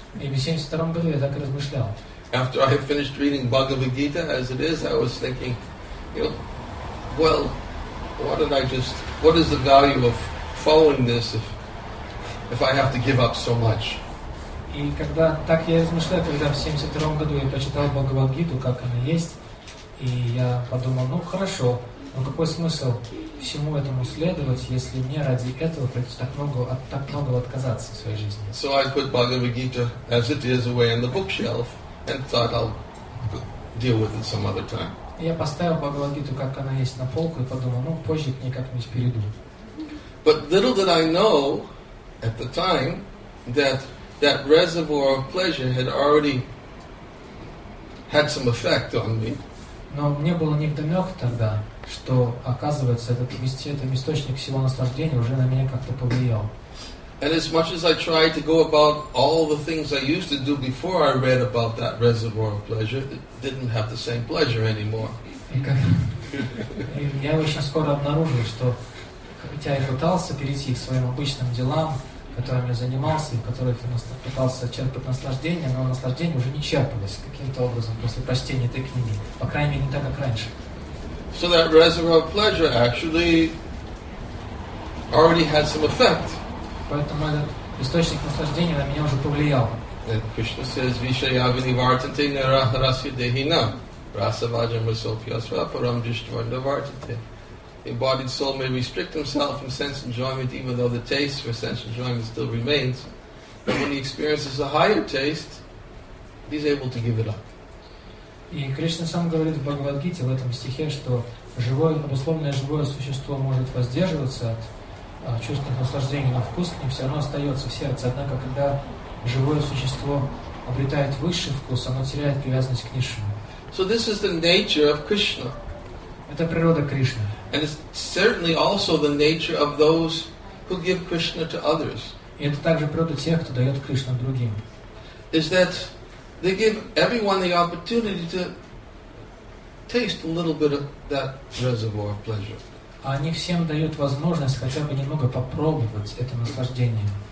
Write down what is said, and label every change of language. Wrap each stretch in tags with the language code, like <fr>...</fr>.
<ru>И в 72-м году я так и размышлял.</ru> <en>After I had finished reading Bhagavad Gita, as it is, I was thinking, you know, well, what is the value of following this if I have to give up so much?</en> <ru>И когда так я размышляю, когда в 72-м году я прочитал Бхагавад Гиту, как она есть, и я подумал, ну хорошо, но какой смысл всему этому следовать, если мне ради этого придется так много отказаться в своей жизни?</ru> <en>So I put Bhagavad Gita as it is away on the bookshelf. And thought I'll deal with it some other time.</en> <ru>Я поставил Бхагавад Гиту, как она есть, на полку и подумал, ну позже к ней как-нибудь перейду.</ru> <en>But little did I know at the time that reservoir of pleasure had already had some effect on me.</en> <ru>Но мне было невдомёк тогда, что оказывается этот источник всего наслаждения уже на меня как-то повлиял.</ru> <en>And as much as I tried to go about all the things I used to do before I read about that reservoir of pleasure, it didn't have the same pleasure anymore.</en> <ru>Я очень скоро обнаружил, что хотя я пытался перейти к своим обычным делам, которыми я занимался, и которых я пытался черпать наслаждение, но наслаждение уже не черпалось каким-то образом после прочтения этой книги. По крайней мере, не так, как раньше.</ru> <en>So that reservoir of pleasure actually already had some effect.</en> <ru>Поэтому этот источник наслаждения на меня уже повлиял.</ru> <sa>Кришна</sa> <en>says,</en> <sa>Вишаявинивартанте нарахарасья дехина. Расаваджам расопьясвапарам джиштвандавартанте.</sa> <en>Embodied soul may restrict himself from sense enjoyment even though the taste for sense enjoyment still remains. But when he experiences a higher taste, he's able to give it up.</en> <ru>И Кришна сам говорит в Бхагавад-гите, в этом стихе, что живое, обусловленное живое существо может воздерживаться от чувственных наслаждений, но вкус к ним все равно остается в сердце. Однако, когда живое существо обретает высший вкус, оно теряет привязанность к низшему.</ru> <en>So this is the nature of Krishna.</en> <ru>Это природа Кришны.</ru> <en>And it's certainly also the nature of those who give Krishna to others.</en> <ru>И это также природа тех, кто дает Кришну другим.</ru> <en>Is that they give everyone the opportunity to taste a little bit of that reservoir of pleasure.</en> <ru>Они всем дают возможность хотя бы немного попробовать это наслаждение.</ru>